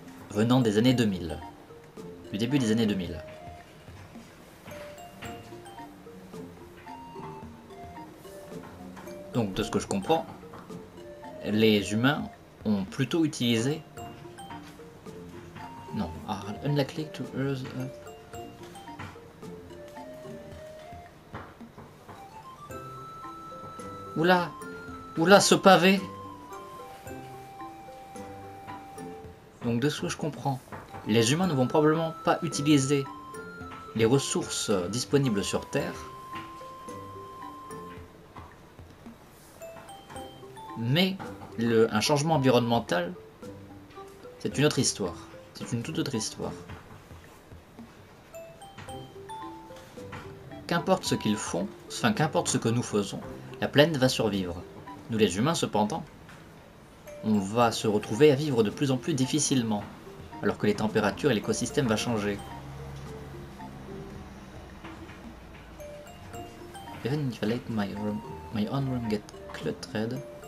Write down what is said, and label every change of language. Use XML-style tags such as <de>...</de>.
<fr>Venant des années 2000. Du début des années 2000. Donc, de ce que je comprends, les humains ont plutôt utilisé...</fr> <en>Non, are unlikely to earth...</en> <fr>Oula! Oula, ce pavé! Donc, de ce que je comprends, les humains ne vont probablement pas utiliser les ressources disponibles sur Terre, mais un changement environnemental, c'est une autre histoire, c'est une toute autre histoire. Qu'importe ce qu'ils font, enfin qu'importe ce que nous faisons, la planète va survivre. Nous les humains cependant, on va se retrouver à vivre de plus en plus difficilement. Alors que les températures et l'écosystème vont changer.</fr> <en>Even if I let my own room get cluttered.</en>